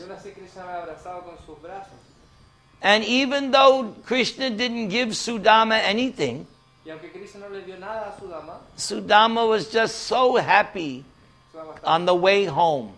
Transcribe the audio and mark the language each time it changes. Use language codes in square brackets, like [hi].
[es] Yo nací, Krishna me abrazaba con sus brazos. [en] And even though Krishna didn't give Sudama anything, [es] y aunque Krishna no le dio nada a Sudama, [en] Sudama was just so happy on the way home.